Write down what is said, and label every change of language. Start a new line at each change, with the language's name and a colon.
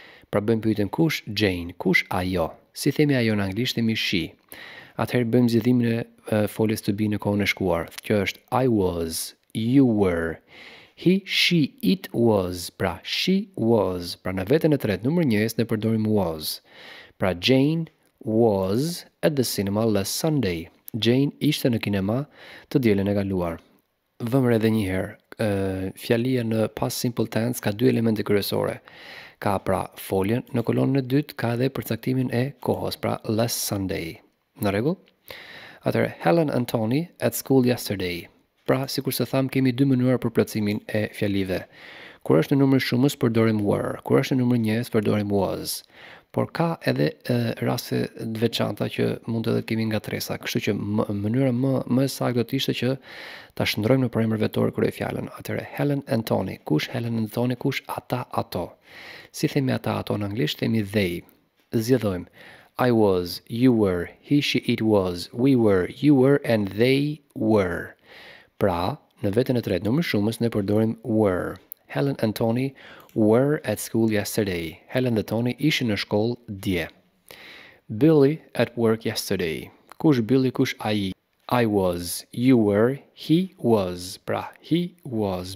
Albanian: Pra bëjmë pyetjen kush Jane, kush ajo? Si themi ajo në anglisht, themi she. Atëherë bëjmë zgjidhimin e foljes to be në kohën e shkuar. Kjo është
English: I was, you were, he, she, it was,
Albanian: pra
English: she was.
Albanian: Pra në veten e tretë numër njëjes ne përdorim was.
English: Pra Jane was at the cinema last Sunday.
Albanian: Jane ishte në kinema të dielën e kaluar. Vëmë edhe një herë, fjalia në past simple tense ka dy elemente kryesore. Ka pra foljen në kolonën e dytë, ka edhe përcaktimin e kohës, pra
English: last Sunday.
Albanian: Në rregull? Atëherë
English: Helen and Tony at school yesterday.
Albanian: Pra, sikur se tham, kemi dy mënyra për plotësimin e fjalive. Kur është në numër shumës përdorim were, kur është në numër njëjës përdorim was. Por ka edhe raste të veçanta që mund edhe kemi ngatresa, kështu që mënyra më e saktë do të ishte që ta shndrojmë në premër vetor kur e fjalën. Atëherë Helen and Tony, kush Helen and Tony, kush ata ato? Si themi ata ato në anglisht, themi they. Zgjidhojmë.
English: I was, you were, he, she, it was, we were, you were and they were.
Albanian: Pra, në veten e tretë numër shumës ne përdorim were.
English: Helen and Tony were at school yesterday.
Albanian: Helen dhe Tony ishin në shkollë dje.
English: Billy at work yesterday.
Albanian: Kush Billy, kush ai?
English: I was, you were, he was. Pra, he was.